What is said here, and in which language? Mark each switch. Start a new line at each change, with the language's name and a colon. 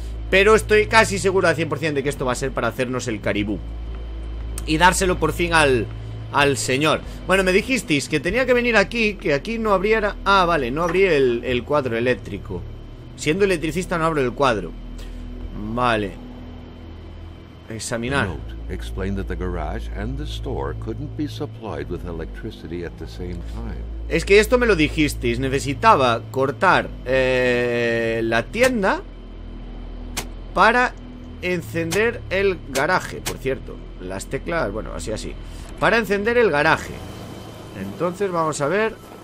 Spanish: Pero estoy casi seguro al 100% de que esto va a ser para hacernos el caribú. Y dárselo por fin al señor. Bueno, me dijisteis que tenía que venir aquí, que aquí no abriera... Ah, vale, no abrí el cuadro eléctrico. Siendo electricista no abro el cuadro. Vale. Examinar. Note,
English: explain that the garage and the store couldn't be supplied with electricity at the same time.
Spanish: Es que esto me lo dijisteis. Necesitaba cortar la tienda para encender el garaje. Por cierto, las teclas, bueno, así. Para encender el garaje. Entonces vamos a ver.